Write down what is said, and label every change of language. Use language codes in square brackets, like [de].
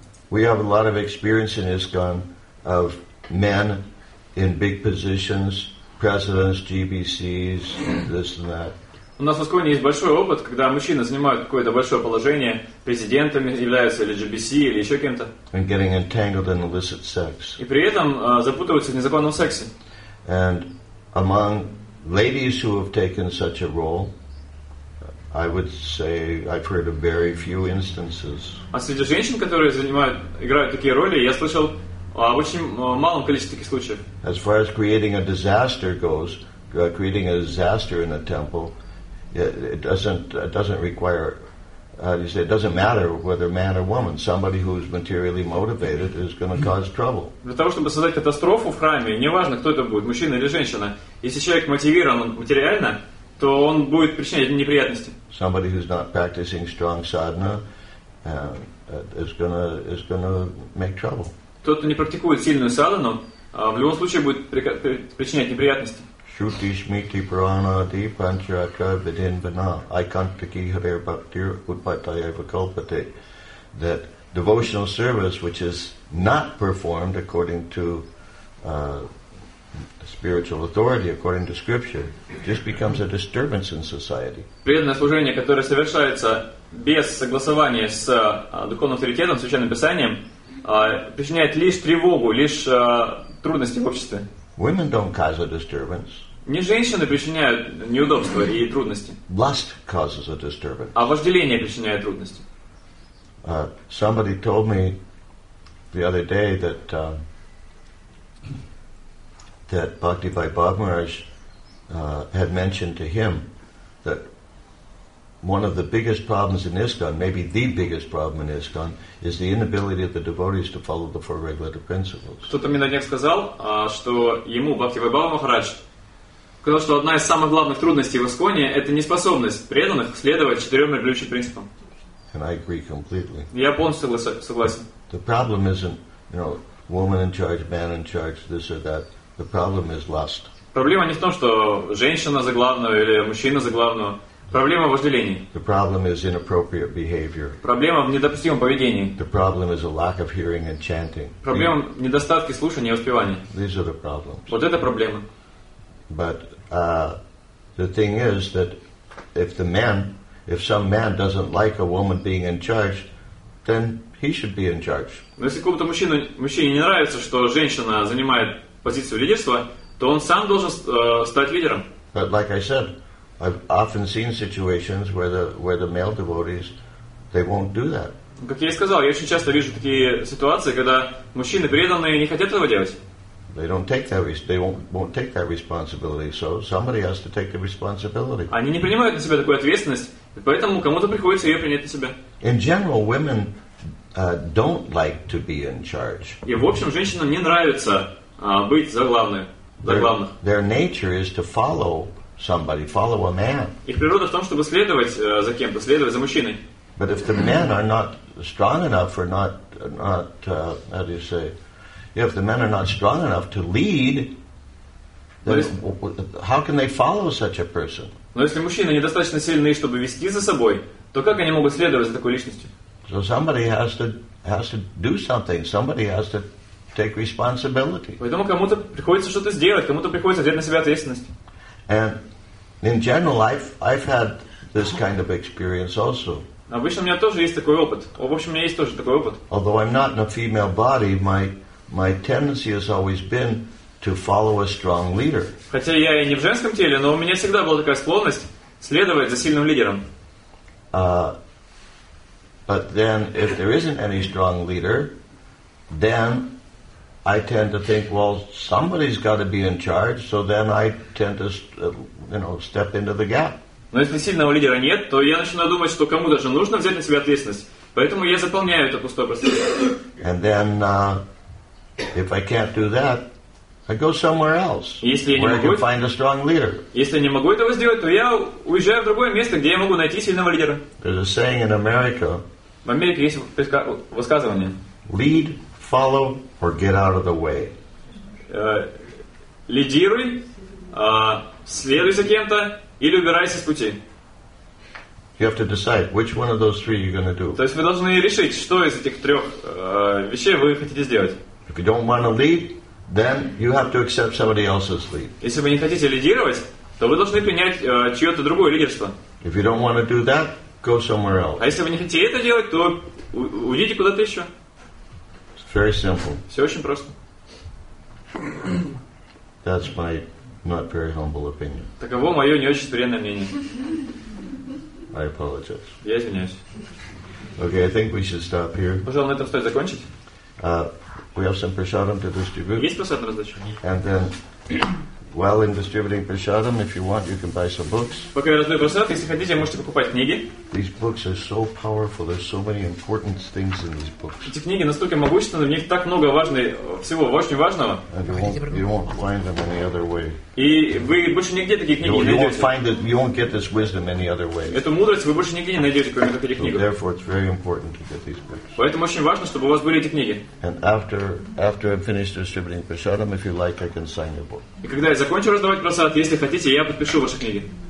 [en] We have a lot of experience in ISKCON of men in big positions, presidents, GBCs, this and that. [ru] У нас в ISKCON есть большой опыт, когда мужчины занимают какое-то большое положение, президентами являются, или GBC, или еще кем-то. [en] And getting entangled in illicit sex. [ru] И при этом запутываются в незаконном сексе. [en] And among ladies who have taken such a role, I would say I've heard of very few instances. [ru] А среди женщин, которые занимают, играют такие роли, я слышал о очень малом количестве таких случаев. [en] As far as creating a disaster goes, creating a disaster in a temple, it doesn't require, you say, it doesn't matter whether man or woman. Somebody who is materially motivated is going to cause trouble. [ru] Для того чтобы создать катастрофу в храме, неважно кто это будет, мужчина или женщина, если человек мотивирован материально, то он будет причинять неприятности. [en] Somebody who's not practicing strong sadhana is gonna make trouble. [ru] Тот, кто не практикует сильную садхану, в любом случае будет причинять неприятности. [sa] Shruti Smriti Purana Adi Pancharatra Vidhin Vina Aikantaki Hare Bhaktir Utpataya Vakalpate. [en] That devotional service which is not performed according to spiritual authority, according to scripture, just becomes a disturbance in society. [ru] Преданное служение, которое совершается без согласования с духовным авторитетом, священным писанием, причиняет лишь тревогу, лишь трудности в обществе. [en] Women don't cause a disturbance. [ru] Не женщины причиняют неудобства и трудности. [en] Lust causes a disturbance. [ru] А вожделение причиняет трудности. [en] Somebody told me the other day that that Bhakti Bhai Bhav Maharaj had mentioned to him that one of the biggest problems in ISKCON, maybe the biggest problem in ISKCON, is the inability of the devotees to follow the four regulative principles. [ru] Кто-то мне на днях сказал, что ему Бхакти Бхай Бхав Махарадж сказал, что одна из самых главных трудностей в ISKCON-е это неспособность преданных следовать четырем регулирующим принципам. [en] And I agree completely. [ru] Я полностью согласен. [en] The problem isn't, you know, woman in charge, man in charge, this or that. The problem is lust. [ru] Проблема не в том, что женщина за главную или мужчина за главную. Проблема в вожделении. [en] The problem is inappropriate behavior. [ru] Проблема в недопустимом поведении. [en] The problem is a lack of hearing and chanting. [ru] Проблема в недостатке слушания и воспевания. [en] These are the problems. [ru] Вот это проблема. [en] But the thing is that if some man doesn't like a woman being in charge, then he should be in charge. [ru] Но если какому-то мужчине не нравится, что женщина занимает позицию лидерства, то он сам должен стать лидером. [en] But like I said, I've often seen situations where the male devotees, they won't do that. [ru] Как я и сказал, я очень часто вижу такие ситуации, когда мужчины преданные не хотят этого делать. [en] They don't take that. They won't take that responsibility. So somebody has to take the responsibility. [ru] Они не принимают на себя такую ответственность, поэтому кому-то приходится ее принять на себя. [en] In general, women don't like to be in charge. [ru] И в общем, женщинам не нравится быть за главных. [en] Their nature is to follow somebody, follow a man. [ru] Их природа в том, чтобы следовать за кем-то, следовать за мужчиной. [en] But if the men are not strong enough or not, how do you say, if the men are not strong enough to lead, How can they follow such a person? [ru] Но если мужчины недостаточно сильные, чтобы вести за собой, то как они могут следовать за такой личностью? [en] So somebody has to do something. Somebody has to take responsibility. [ru] Поэтому кому-то приходится что-то сделать, кому-то приходится взять на себя ответственность. [en] And in general life, I've had this kind of experience also. [ru] Обычно у меня тоже есть такой опыт. В общем, у меня есть тоже такой опыт. [en] Although I'm not in a female body, my tendency has always been to follow a strong leader. [ru] Хотя я и не в женском теле, но у меня всегда была такая склонность следовать за сильным лидером. [en] But then, if there isn't any strong leader, then I tend to think, well, somebody's got to be in charge. So then I tend to, step into the gap. [ru] Но если сильного лидера нет, то я начинаю думать, что кому-то же нужно взять на себя ответственность. Поэтому я заполняю это пустое пространство. [en] And then, if I can't do that, I go somewhere else. [ru] Если я не могу этого сделать, то я уезжаю в другое место, где я могу найти сильного лидера. [en] There's a saying in America. [ru] В Америке есть высказывание. [en] Lead, follow, or get out of the way. [ru] Лидируй, следуй за кем-то или убирайся с пути. [en] You have to decide which one of those three you're going to do. [ru] То есть вы должны решить, что из этих трех вещей вы хотите сделать. [en] If you don't want to lead, then you have to accept somebody else's lead. [ru] Если вы не хотите лидировать, то вы должны принять чье-то другое лидерство. [en] If you don't want to do that, go somewhere else. [ru] А если вы не хотите это делать, то уйдите куда-то еще. [en] It's very simple. [ru] Все очень просто. [en] That's my not very humble opinion. [ru] Таково мое не очень смиренное мнение. [en] I apologize. [ru] Я извиняюсь. [en] Okay, I think we should stop here. [ru] Пожалуй, на этом стоит закончить. [en] We have some prasadam to distribute. [ru] Есть прасад на раздачу. [en] And then, while in distributing prasadam, if you want, you can buy some books. [ru] Пока я раздаю прасад, если хотите, можете покупать книги. [en] These books are so powerful. There's so many important things in these books. [ru] Эти книги настолько могущественны, в них так много всего очень важного. [en] And you won't find them any other way. И вы больше нигде такие книги не найдете. You won't find it. You won't get this wisdom any other way. [ru] Эту мудрость вы больше нигде не найдете, кроме этих книг. [en] So therefore, it's very important to get these books. [ru] Поэтому очень важно, чтобы у вас были эти книги. [en] And after I've finished distributing prasadam, if you like, I can sign your book. [ru] И когда я закончу раздавать прасад, если хотите, я подпишу ваши книги.